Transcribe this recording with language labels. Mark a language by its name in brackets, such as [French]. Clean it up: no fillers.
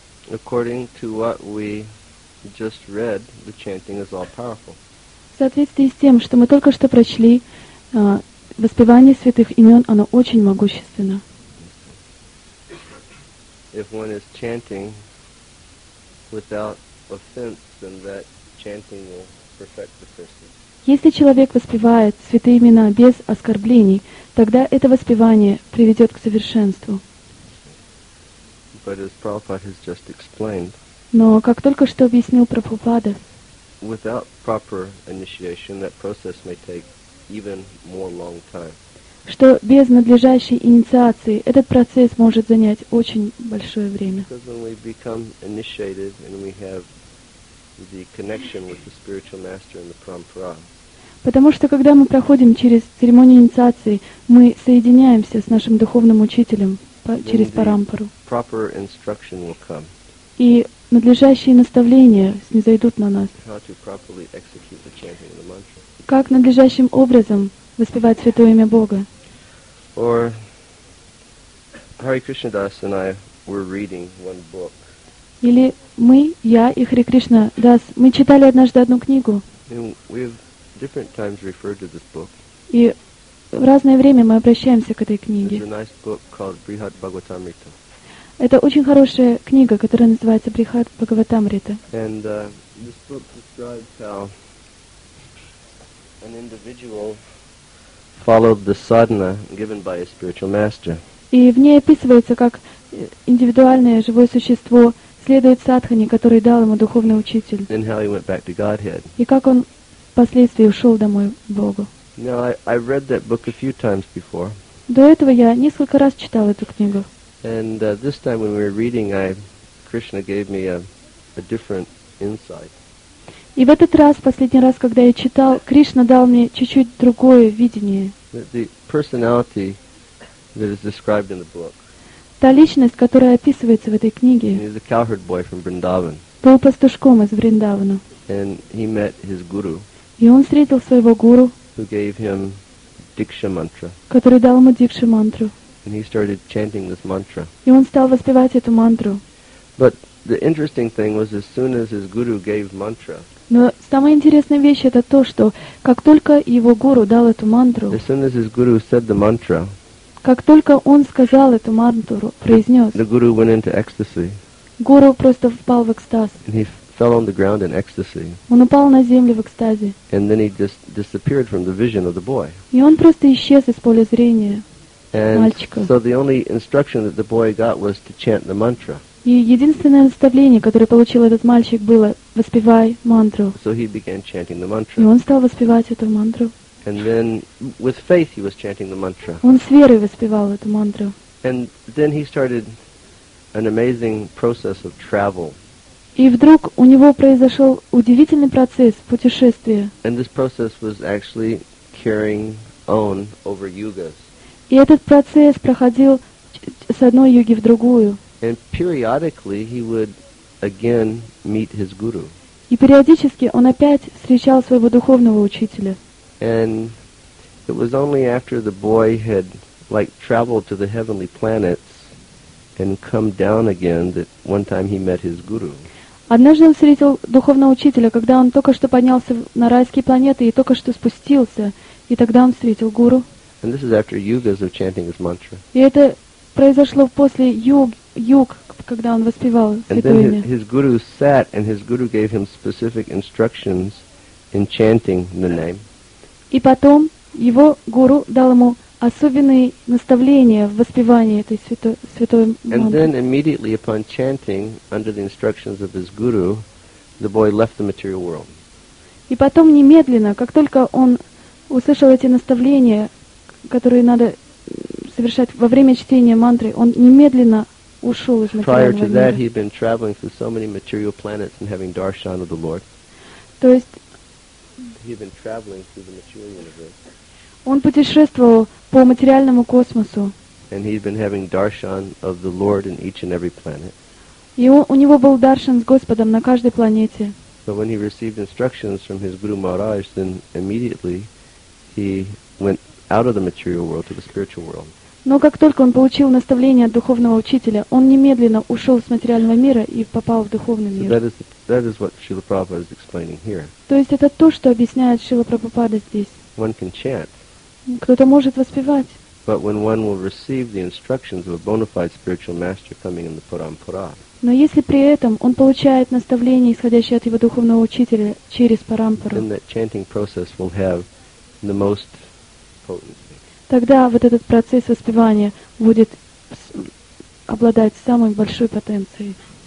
[English] According to what we just read, the chanting is all powerful. [Russian] В соответствии с тем, что мы только что прочли, воспевание святых имен, оно очень могущественно. [English] if one is chanting without offense, then that chanting will perfect the person. [Russian] Если человек воспевает святые имена без оскорблений, тогда это воспевание приведет к совершенству. [English] But as Prabhupada has just explained, [Russian] но как только что объяснил Прабхупада, [English] without proper initiation, that process may take even more long time. [Russian] Что без надлежащей инициации этот процесс может занять очень большое время. [English] Because when we become initiated and we have the connection with the spiritual master and the parampara, [Russian] потому что когда мы проходим через церемонию инициации, мы соединяемся с нашим духовным учителем через парампару. [English] Proper instruction will come. [Russian] И надлежащие наставления снизойдут на нас. [English] How to properly execute the chanting of the mantra. [Russian] Как надлежащим образом воспевать святое имя Бога. [English] Or Hare Krishna Das and I were reading one book. [Russian] Или мы, я и Хари Кришна Дас, мы читали однажды одну книгу. [English] Different times referred to this book. [Russian] И в разное время мы обращаемся к этой книге. [English] It's a nice book called Brihat Bhagavatamrita. [Russian] Это очень хорошая книга, которая называется Брихат Бхагаватамрита. [English] And this book describes how an individual followed the sadhana given by a spiritual master. [Russian] И в ней описывается, как индивидуальное живое существо следует садхане, который дал ему духовный учитель. [English] And how he went back to Godhead. [Russian] И как он впоследствии ушел домой к Богу. [English] Now, I read that book a few times before. [Russian] До этого я несколько раз читал эту книгу. [English] And this time when we were reading, Krishna gave me a different insight. [Russian] И в этот раз, последний раз, когда я читал, Кришна дал мне чуть-чуть другое видение. [English] The personality that is described in the book. [Russian] Та личность, которая описывается в этой книге. [English] He's a cowherd boy from Vrindavan. [Russian] Был пастушком из Вриндавана. [English] And he met his guru. [Russian] И он встретил своего гуру, [English] who gave him Diksha mantra, [Russian] который дал ему Дикша мантру. [English] And he started chanting this mantra. [Russian] И он стал воспевать эту мантру. [English] But the interesting thing was, as soon as his guru gave mantra, [Russian] но самая интересная вещь это то, что как только его гуру дал эту мантру, [English] as soon as his guru said the mantra, [Russian] как только он сказал эту мантру, произнес, [English] the guru went into ecstasy. [Russian] Гуру просто впал в экстаз. [English] Fell on the ground in ecstasy. [Russian] Он упал на землю в экстазе. [English] And then he just disappeared from the vision of the boy. [Russian] И он просто исчез из поля зрения [English] and [Russian] мальчика. [English] So the only instruction that the boy got was to chant the mantra. [Russian] И единственное наставление, которое получил этот мальчик, было «воспевай мантру». [English] So he began chanting the mantra. [Russian] И он стал воспевать эту мантру. [English] And then with faith he was chanting the mantra. [Russian] Он с верой воспевал эту мантру. [English] And then he started an amazing process of travel. [Russian] И вдруг у него произошел удивительный процесс путешествия. [English] And this process was actually carrying on over yugas. [Russian] И этот процесс проходил с одной юги в другую. [English] And periodically he would again meet his guru. [Russian] И периодически он опять встречал своего духовного учителя. [English] And it was only after the boy had like traveled to the heavenly planets and come down again that one time he met his guru. [Russian] Однажды он встретил духовного учителя, когда он только что поднялся на райские планеты и только что спустился, и тогда он встретил гуру. [English] And this is after yugas of chanting his mantra. [Russian] И это произошло после юг, когда он воспевал святое имя. И потом его гуру дал ему особенные наставления в воспевании этой святой мантры. [English] And then immediately upon chanting under the instructions of his guru, the boy left the material world. [Russian] И потом немедленно, как только он услышал эти наставления, которые надо совершать во время чтения мантры, он немедленно ушел из материального мира. [English] Prior to that, he'd been traveling through so many material planets and having darshan of the Lord. [Russian] То есть [English] he'd been traveling through the material universe. [Russian] Он путешествовал по материальному космосу. [English] And he'd been having darshan of the Lord in each and every planet. [Russian] И у него был даршан с Господом на каждой планете. [English] So when he received instructions from his Guru Maharaj, then immediately he went out of the material world to the spiritual world. [Russian] Но как только он получил наставление от духовного учителя, он немедленно ушел с материального мира и попал в духовный мир. [English] So that is what Srila Prabhupada is explaining here. [Russian] То есть это то, что объясняет Шрила Прабхупада здесь. [English] One can chant. [Russian] Кто-то может воспевать. [English] But when one will receive the instructions of a bona fide spiritual master coming in the Parampara, [Russian] но если при этом он получает наставление, исходящее от его духовного учителя через Парампару, [English] then that chanting process will have the most potency. [Russian] Тогда вот этот процесс воспевания будет обладать самой большой потенцией.